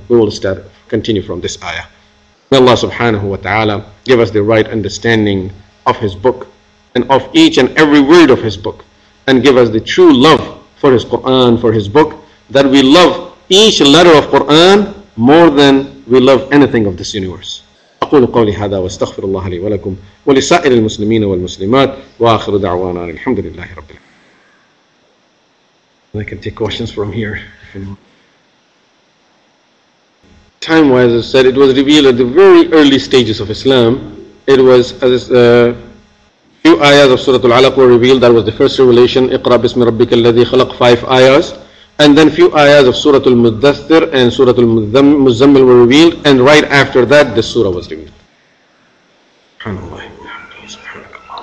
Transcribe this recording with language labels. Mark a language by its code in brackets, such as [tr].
[en] We will continue from this ayah. May Allah subhanahu wa ta'ala give us the right understanding of His book and of each and every word of His book, and give us the true love for His Quran, for His book, that we love each letter of Quran more than we love anything of this universe. [ar] أقول قولي هذا واستغفر الله لي ولكم ولسائر المسلمين والمسلمات وآخر دعوانا الحمد لله رب العالمين. [en] I can take questions from here. Time-wise, as I said, it was revealed at the very early stages of Islam. It was as few ayahs of Surah Al-Alaq were revealed. That was the first revelation. [ar] اقرأ بسم ربك الذي خلق, [en] 5 ayahs. And then few ayahs of Surah Al-Muddathir and Surah Al-Muzzammil were revealed. And right after that, the surah was revealed. SubhanAllah.